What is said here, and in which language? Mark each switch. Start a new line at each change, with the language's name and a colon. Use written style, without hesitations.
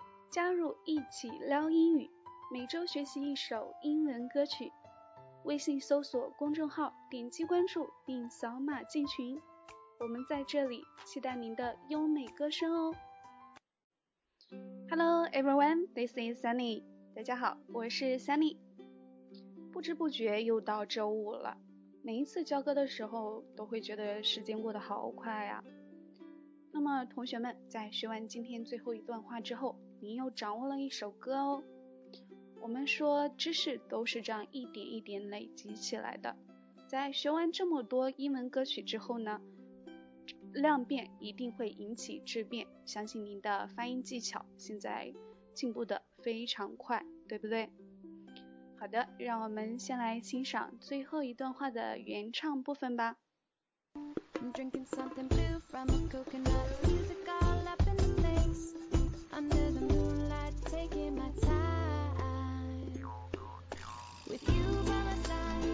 Chinese: 加入一起撩英语，每周学习一首英文歌曲。微信搜索公众号，点击关注并扫码进群，我们在这里期待您的优美歌声哦。
English: Hello everyone, this is Sunny.
Chinese: 大家好，我是 Sunny。不知不觉又到周五了，每一次教歌的时候都会觉得时间过得好快啊。那么同学们，在学完今天最后一段话之后，您又掌握了一首歌哦。我们说知识都是这样一点一点累积起来的，在学完这么多英文歌曲之后呢，量变一定会引起质变，相信您的发音技巧现在进步得非常快，对不对？好的，让我们先来欣赏最后一段话的原唱部分吧。
English: I'm drinking something blue from a coconut. Music all up in the mix. Under the moonlight, taking my time. With you by my side.